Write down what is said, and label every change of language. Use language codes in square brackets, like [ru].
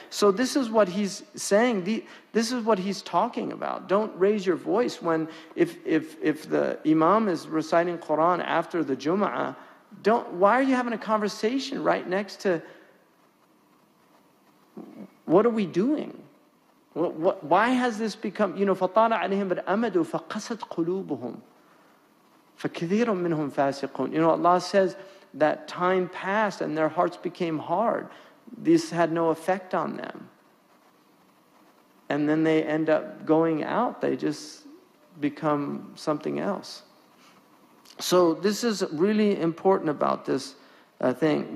[en] So this is what he's saying. This is what he's talking about. Don't raise your voice when, if the imam is reciting Quran after the Jumu'ah, why are you having a conversation right next to, what are we doing? Why has this become, you know, [ar] فَطَالَ عَلَيْهِمْ بِالْأَمَدُ فَقَسَتْ قُلُوبُهُمْ فَكَثِيرٌ مِّنْهُمْ فَاسِقُونَ. [en] You know, Allah says that time passed and their hearts became hard. This had no effect on them. And then they end up going out. They just become something else. So this is really important about this thing.